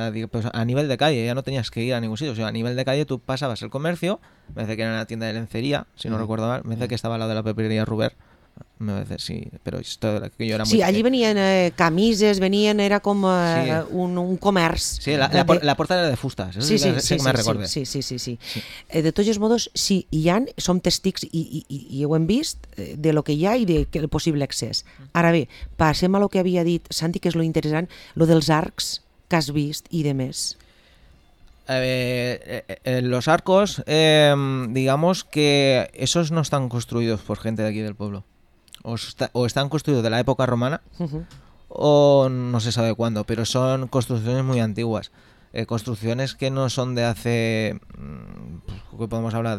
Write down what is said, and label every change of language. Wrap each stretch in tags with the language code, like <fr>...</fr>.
<es>Pues a nivel de calle, ya no tenías que ir a ningún sitio. O sea, a nivel de calle tú pasabas el comercio, me parece que era una tienda de lencería, si no recuerdo mal, me parece que estaba al lado de la papelería Ruber. Me parece, sí, pero esto era que yo era muy sí, allí venían camises, venían, era como sí.</es> <ca>un comerç. Sí, la porta era de fustes,</ca> <es>eso sí que</es> <ca>me recorde. Sí. De tots els modos, sí, hi ha, som testics i ho hem vist, de lo que hi ha i del possible accés. Ara bé, passem a lo que havia dit Santi, que és lo interessant, lo dels arcs que has vist i de més.</ca> <es>Los arcos, digamos que esos no están construidos por gente de aquí del pueblo. O están construidos de la época romana, o no se sabe cuándo, pero son construcciones muy antiguas. Construcciones que no son de hace, ¿qué podemos hablar?</es>